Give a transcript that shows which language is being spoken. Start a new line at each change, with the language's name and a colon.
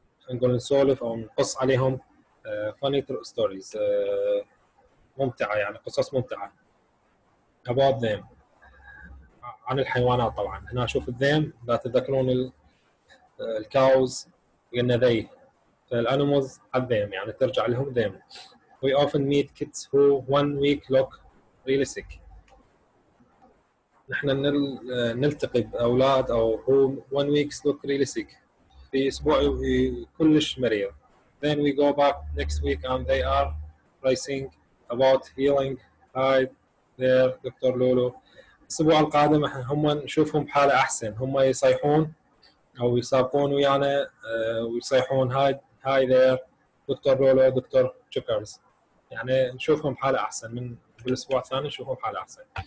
Arabic: نقول نسولف أو نقص عليهم
English: funny stories
Arabic: ممتعة يعني قصص ممتعة
English: about them
Arabic: عن الحيوانات طبعا هنا أشوف them لا تذكرون الكاوز قلنا they الانيمالز على them يعني ترجع لهم them
English: we often meet kids who one week look really sick
Arabic: نحن نلتقي بأولاد أو
English: who one week look really sick
Arabic: في أسبوع كلش مريض.
English: Then we go back next week and they are racing about healing. Hi there, Dr. Lulu.
Arabic: الأسبوع القادم هم نشوفهم بحالة أحسن. هم يصيحون أو يسابقون ويانا ويصيحون
English: Hi there, Dr.
Arabic: Lulu, Dr. Chuckers. يعني نشوفهم بحالة أحسن. من الأسبوع الثاني نشوفهم بحالة أحسن.